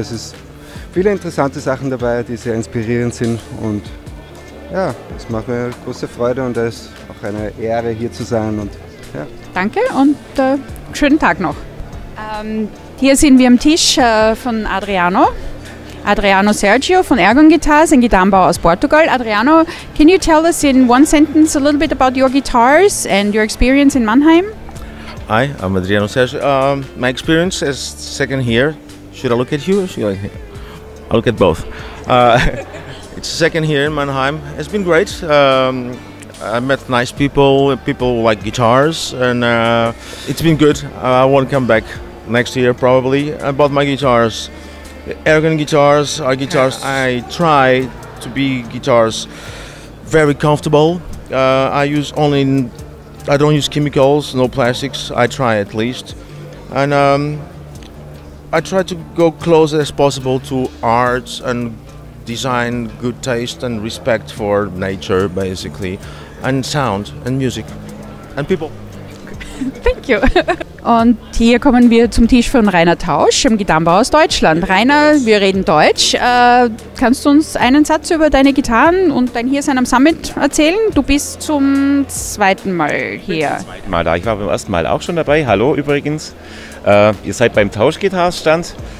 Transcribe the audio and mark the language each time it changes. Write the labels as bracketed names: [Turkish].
[German] Es ist viele interessante Sachen dabei, die sehr inspirierend sind und ja, es macht mir große Freude und es ist auch eine Ehre, hier zu sein. Und, ja. Danke und schönen Tag noch. Hier sind wir am Tisch von Adriano. Adriano Sergio von Ergon Guitars, ein Gitarrenbauer aus Portugal. [English] Adriano, can you tell us in one sentence a little bit about your guitars and your experience in Mannheim? Hi, I'm Adriano Sergio. My experience is second here. Should I look at you or should I look at you? I'll look at both. It's second here in Mannheim. It's been great. I met nice people, people like guitars, and it's been good. I want to come back next year probably. I bought my guitars. Ergon guitars are guitars. I try to be guitars very comfortable. I don't use chemicals, no plastics. I try at least. And I try to go close as possible to art and design, good taste and respect for nature, basically, and sound and music and people. Thank you. [German] Und hier kommen wir zum Tisch von Rainer Tausch, einem Gitarrenbauer aus Deutschland. Rainer, wir reden Deutsch. Kannst du uns einen Satz über deine Gitarren und dein Hiersein am Summit erzählen? Du bist zum zweiten Mal hier. Ich bin zum zweiten Mal da. Ich war beim ersten Mal auch schon dabei. Hallo übrigens. Ihr seid beim Tauschgitarrenstand.